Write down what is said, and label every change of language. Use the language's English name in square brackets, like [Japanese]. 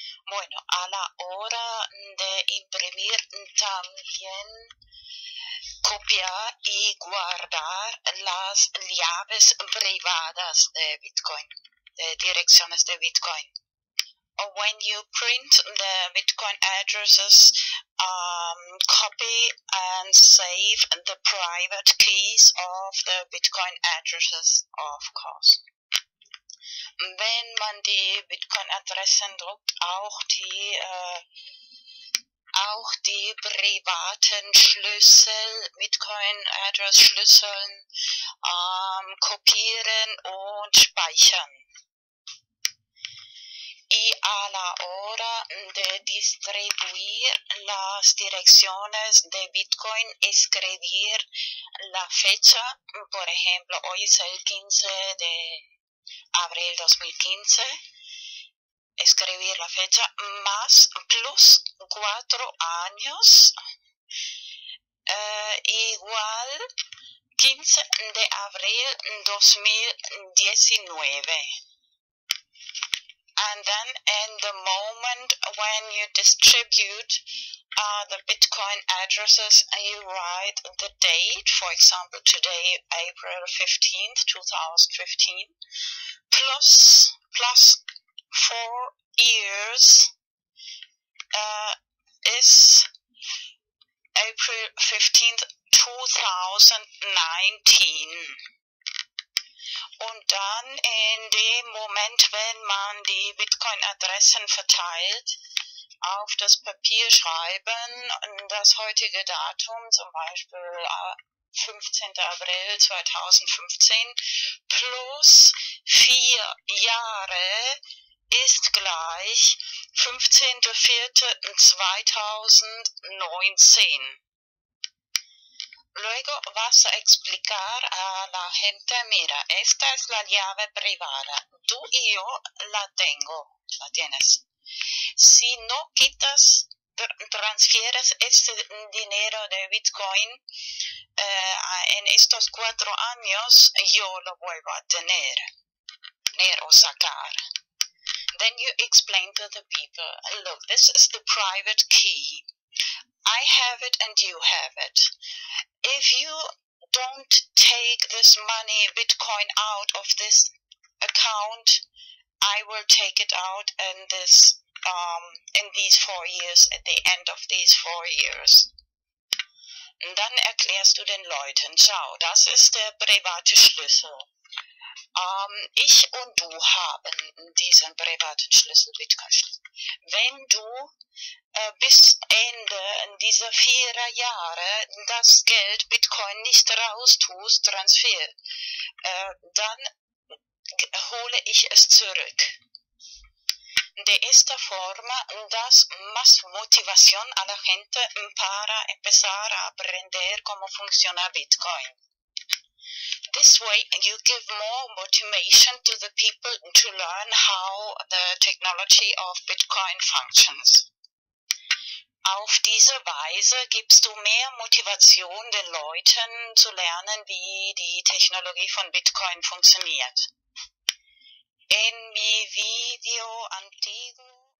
[Spanish] Bueno, a la hora de imprimir también copiar y guardar las llaves privadas de Bitcoin, de direcciones de Bitcoin. [English] When you print the Bitcoin addresses, copy and save the private keys of the Bitcoin addresses, of course. [German] Wenn man die Bitcoin-Adressen druckt, auch die privaten Schlüssel, Bitcoin-Address-Schlüssel, kopieren und speichern. [Spanish] Y a la hora de distribuir las direcciones de Bitcoin, escribir la fecha, por ejemplo, hoy es el 15 de abril 2015, escribir la fecha más plus 4 años igual 15 de abril 2019. [English] And then in the moment when you distribute the Bitcoin addresses, you write the date, for example, today, April 15th, 2015, plus 4 years is April 15th, 2019. [German] Und dann in dem Moment, wenn man die Bitcoin-Adressen verteilt, auf das Papier schreiben, das heutige Datum, zum Beispiel 15. April 2015, plus 4 Jahre ist gleich 15.04.2019. [Spanish] Luego vas a explicar a la gente, mira, esta es la llave privada. Tú y yo la tengo, la tienes. Si no quitas, transfieres ese dinero de Bitcoin en estos 4 años, yo lo vuelvo a tener o sacar. [English] Then you explain to the people, look, this is the private key. I have it and you have it. If you don't take this money, Bitcoin, out of this account, I will take it out in this in these 4 years, at the end of these 4 years. [German] Und dann erklärst du den Leuten, schau, das ist der private Schlüssel. Ich und du haben diesen privaten Schlüssel, Bitcoin. Wenn du bis Ende dieser 4 Jahre das Geld Bitcoin nicht raus tust, Transfer, dann hole ich es zurück. [Spanish] De esta forma das más motivación a la gente para empezar a aprender cómo funciona Bitcoin. [English] This way you give more motivation to the people to learn how the technology of Bitcoin functions. [German] Auf diese Weise gibst du mehr Motivation den Leuten zu lernen, wie die Technologie von Bitcoin funktioniert. [Spanish] In mi video antiguo.